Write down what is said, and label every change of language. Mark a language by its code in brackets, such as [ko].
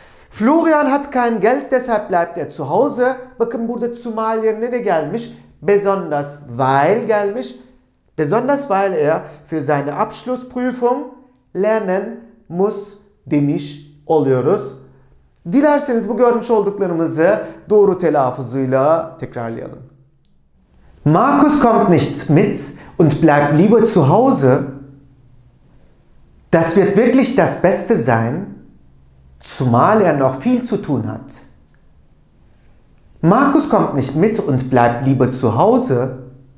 [de] Florian hat kein Geld, deshalb bleibt zu Hause. [tr] Bakın burada zumal yerine ne gelmiş? [de] Besonders weil [tr] gelmiş. [de] Besonders weil für seine Abschlussprüfung lernen muss [tr] demiş oluyoruz. Dilerseniz bu görmüş olduklarımızı doğru telaffuzuyla tekrarlayalım. [de] Markus kommt nicht mit und bleibt lieber zu Hause. Das wird wirklich das Beste sein, zumal noch viel zu tun hat. Markus kommt nicht mit und bleibt lieber zu Hause.